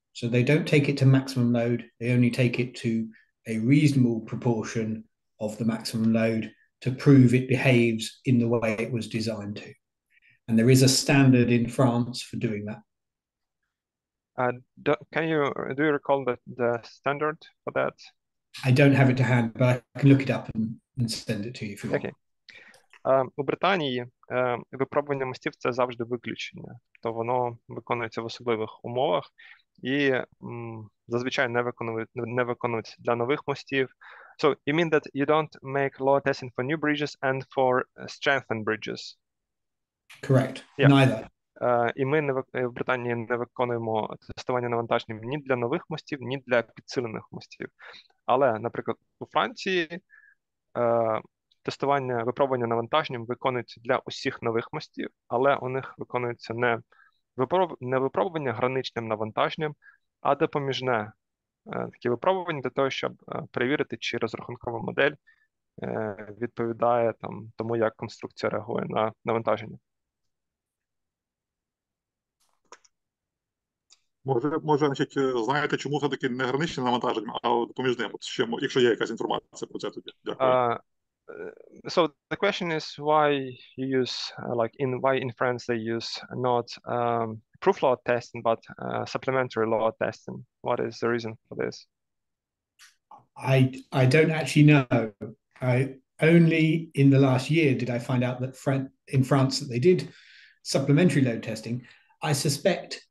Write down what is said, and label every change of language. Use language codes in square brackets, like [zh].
[en] So they don't take it to maximum load. They only take it to a reasonable proportion of the maximum load to prove it behaves in the way it was designed to. And there is a standard in France for doing that. Do you recall the standard for that? I don't have it to hand, but I can look it up and send it to you if you want. Okay. [uk] У Британії випробування мостів – це завжди виключення. То воно виконується в особливих умовах і зазвичай не виконується для нових мостів. [en] So you mean that you don't make load testing for new bridges and for strengthened bridges? Correct. Yeah. Neither. [uk] І ми в Британії не виконуємо тестування навантаженням ні для нових мостів, ні для підсилених мостів. Але, наприклад, у Франції тестування, випробування навантаженням виконується для усіх нових мостів, але у них виконується не випробування граничним навантаженням, а допоміжне таке випробування для того, щоб перевірити, чи розрахункова модель відповідає там тому, як конструкція реагує на навантаження. Може, значить, знаєте, чому все-таки не граничне навантаження, а допоміжне, якщо є якась інформація про це тоді. Дякую. [en] So the question is why you use like in why in France they use not proof load testing but supplementary load testing. What is the reason for this? I don't actually know. I only in the last year did I find out that in France that they did supplementary load testing. I suspect